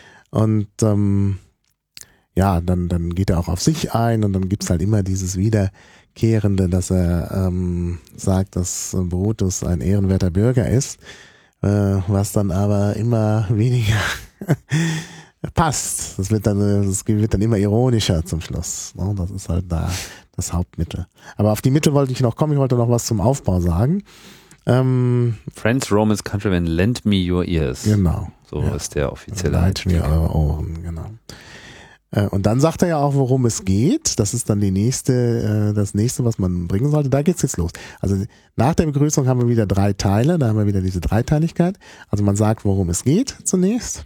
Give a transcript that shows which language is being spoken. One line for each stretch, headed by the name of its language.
German: Und dann geht er auch auf sich ein und dann gibt's halt immer dieses Wiederkehrende, dass er sagt, dass Brutus ein ehrenwerter Bürger ist, was dann aber immer weniger passt. Das wird dann immer ironischer zum Schluss. Ne? Das ist halt da das Hauptmittel. Aber auf die Mitte wollte ich noch kommen. Ich wollte noch was zum Aufbau sagen.
English: Friends, Romans, Countrymen, lend me your ears.
German: Genau. So ja. Ist der offizielle. Leit mir eure Ohren, genau. Und dann sagt er ja auch, worum es geht. Das ist dann das nächste, was man bringen sollte. Da geht's jetzt los. Also nach der Begrüßung haben wir wieder drei Teile. Da haben wir wieder diese Dreiteiligkeit. Also man sagt, worum es geht zunächst.